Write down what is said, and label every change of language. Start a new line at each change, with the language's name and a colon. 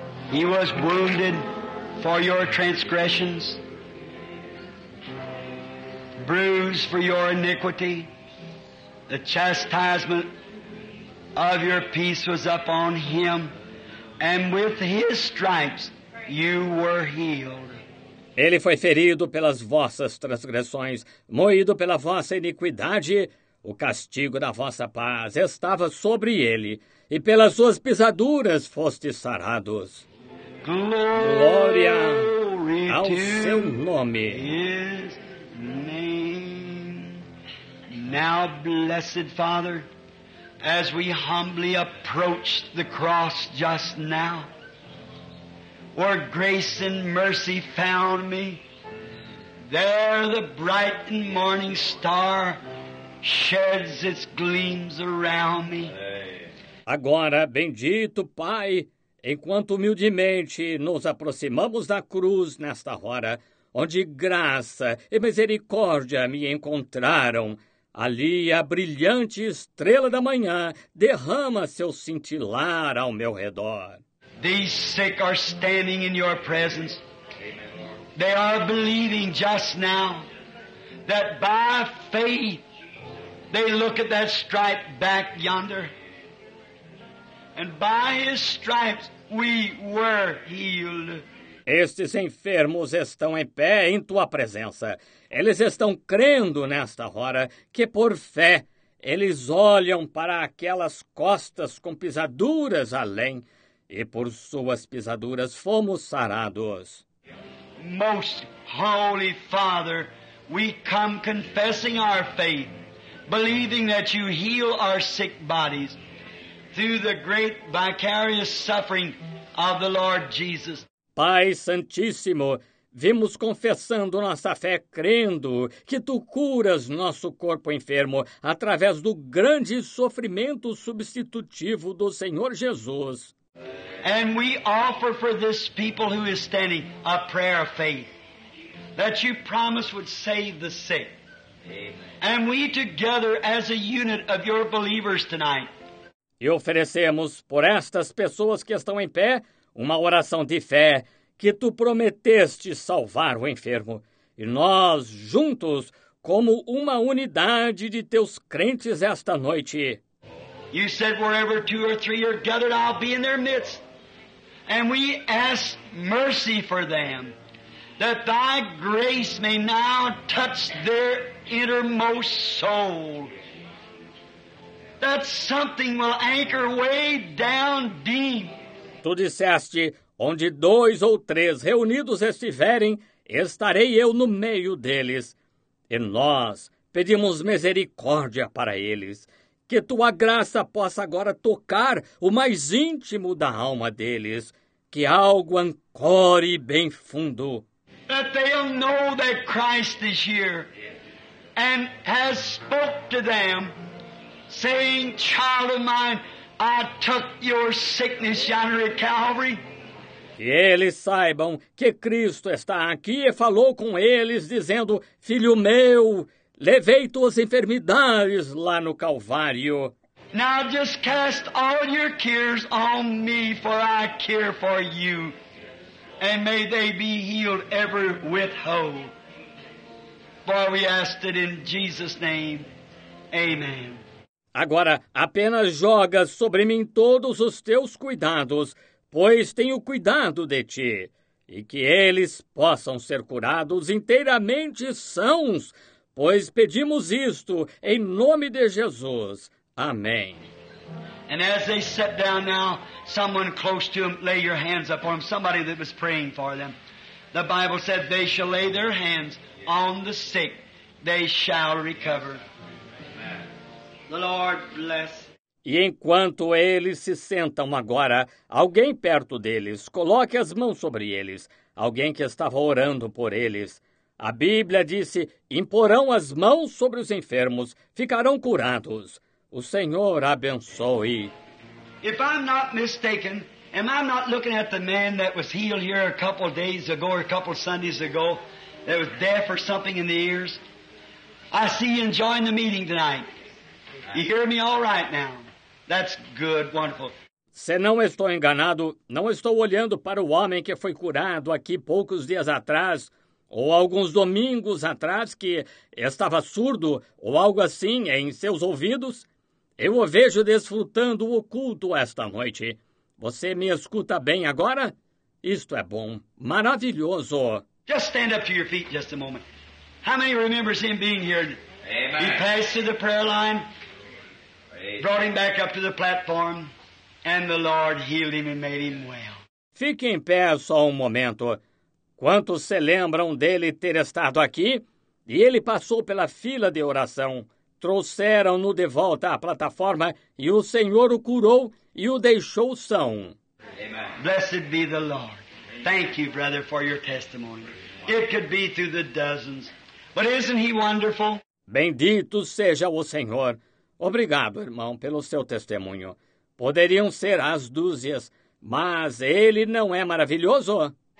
English: He was wounded for your transgressions, bruised for your iniquity. The chastisement of your peace was upon him, and with his stripes you were healed.
Portuguese: Ele foi ferido pelas vossas transgressões, moído pela vossa iniquidade. O castigo da vossa paz estava sobre ele, e pelas suas pisaduras fostes sarados. Glória ao seu nome.
English: His name. Now, blessed Father, as we humbly approach the cross just now, where grace and mercy found me, there the bright and morning star sheds its gleams around me.
Portuguese: Agora, bendito Pai, enquanto humildemente nos aproximamos da cruz nesta hora, onde graça e misericórdia me encontraram, ali a brilhante estrela da manhã derrama seu cintilar ao meu redor.
English: These sick are standing in your presence. They are believing just now that by faith they look at that stripe back yonder. And by his stripes we were healed.
Portuguese: Estes enfermos estão em pé em tua presença. Eles estão crendo nesta hora que por fé eles olham para aquelas costas com pisaduras além. E por suas pisaduras fomos sarados.
English: Most Holy Father, we come confessing our faith, believing that you heal our sick bodies through the great vicarious suffering of the Lord Jesus.
Portuguese: Pai Santíssimo, vimos confessando nossa fé, crendo que tu curas nosso corpo enfermo através do grande sofrimento substitutivo do Senhor Jesus.
English: And we offer for this people who is standing a prayer of faith that you promised would save the sick. Amen. And we together as a unit of your believers tonight.
Portuguese: E oferecemos por estas pessoas que estão em pé uma oração de fé que tu prometeste salvar o enfermo. E nós juntos como uma unidade de teus crentes esta noite.
English: You said wherever two or three are gathered, I'll be in their midst. And we ask mercy for them, that thy grace may now touch their innermost soul. That something will anchor way down deep.
Portuguese: Tu disseste, onde dois ou três reunidos estiverem, estarei eu no meio deles. E nós pedimos misericórdia para eles, que tua graça possa agora tocar o mais íntimo da alma deles, que algo ancore bem fundo.
English: That they'll know that Christ is here and has spoke to them, saying, child of mine, I took your sickness yonder at Calvary.
Portuguese: Que eles saibam que Cristo está aqui e falou com eles, dizendo, filho meu, levei tuas enfermidades lá no Calvário.
English: Now just cast all your cares on me, for I care for you. And may they be healed ever with hope. For we ask it in Jesus' name. Amen.
Portuguese: Agora, apenas joga sobre mim todos os teus cuidados, pois tenho cuidado de ti, e que eles possam ser curados inteiramente sãos, pois pedimos isto em nome de Jesus. Amém.
English: And as they sat down now, someone close to them lay your hands upon them, somebody that was praying for them. The Bible said they shall lay their hands on the sick, they shall recover. The Lord bless.
Portuguese: E enquanto eles se sentam agora, alguém perto deles, coloque as mãos sobre eles, alguém que estava orando por eles. A Bíblia disse, imporão as mãos sobre os enfermos, ficarão curados. O Senhor abençoe.
English: If I'm not mistaken, am I not looking at the man that was healed here a couple of days ago or a couple of Sundays ago, that was deaf or something in the ears? I see you enjoying the meeting tonight. You hear me all right now. That's good, wonderful.
Portuguese: Se não estou enganado, não estou olhando para o homem que foi curado aqui poucos dias atrás, ou alguns domingos atrás, que estava surdo ou algo assim em seus ouvidos. Eu o vejo desfrutando o culto esta noite. Você me escuta bem agora? Isto é bom, maravilhoso.
English: Just stand up to your feet just a moment. How many remembers him being here? Amen. He passed through the prayer line. Brought him back up to the platform, and the Lord healed him and made him well.
Portuguese: Fique em pé só um momento. Quantos se lembram dele ter estado aqui? E ele passou pela fila de oração. Trouxeram-no de volta à plataforma, e o Senhor o curou e o deixou são.
English: Amen. Blessed be the Lord. Thank you, brother, for your testimony. It could be through the dozens. But isn't he wonderful?
Portuguese: Bendito seja o Senhor. Obrigado, irmão, pelo seu testemunho. Poderiam ser as dúzias, mas ele não é maravilhoso?